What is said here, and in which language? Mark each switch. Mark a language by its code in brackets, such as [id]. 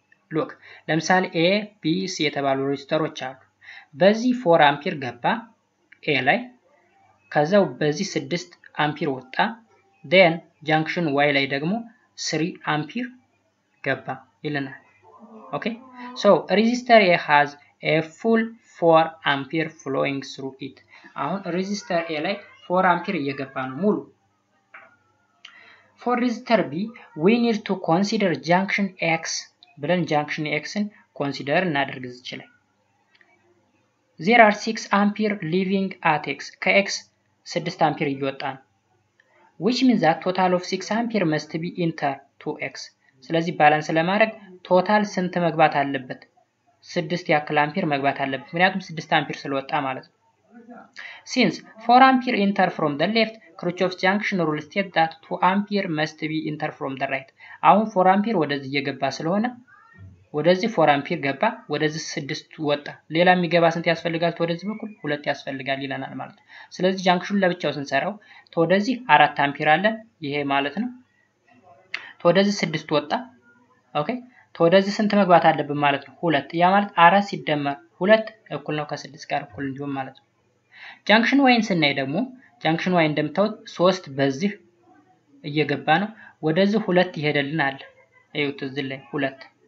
[en] Look, [am] ለምሳሌ A, B, C የተባሉ ሬዚስተሮች አሉ። በዚህ 4 አምፒር ገባ A ላይ ከዛው በዚህ 6 አምፒር ወጣ then junction Y ላይ ደግሞ 3 አምፒር ገባ ይለናል። Okay? [en] So resistor A has a full 4 ampere flowing through it. [am] አሁን resistor A ላይ 4 ampere እየገባ ነው ሙሉ። [en] For resistor B, we need to consider junction X. [am] ብለን junction X-ን consider እናደርግ እንችላለን። [en] There are 6 ampere leaving at X. [am] ከX 6 ampere እየወጣ ነው. [en] Which means that total of 6 ampere must be enter to X. [am] ስለዚህ ባላንስ ለማድረግ total ስንት መግባት አለበት? 6 ያክል አምፒር መግባት አለበት ምክንያቱም 6 አምፒር ስለወጣ ማለት ነው። [en] since 4 አምፒር enter from the left kirchoff's junction rule states that 2 አምፒር must be enter from the right. [am] አሁን 4 አምፒር ወደዚህ እየገባ ስለሆነ ወደዚህ 4 አምፒር ገባ ወደዚህ 6 ወጣ ሌላ የሚገባ ስንት ያስፈልጋል ወደዚህ በኩል 2 ያስፈልጋል ይለናል ማለት ነው። ስለዚህ ጃንክሽኑን ለብቻው ስንሰራው ወደዚህ 4 አምፒር አለ ይሄ ማለት ነው። ወደዚህ 6 ወጣ ኦኬ ተወደዚህ ስንት መግባት አለብን ማለት ነው 2 ያ ማለት 4 ሲደመር 2 እኩል ነው ከ6 ጋር እኩል እንዲሆን ማለት ነው። ጃንክሽን ዋይን ስናይ ደግሞ ጃንክሽን ዋይ እንደምታው 3 በዚህ እየገባ ነው ወደዚህ 2 ይሄደልናል እዩት እዚህ ላይ 2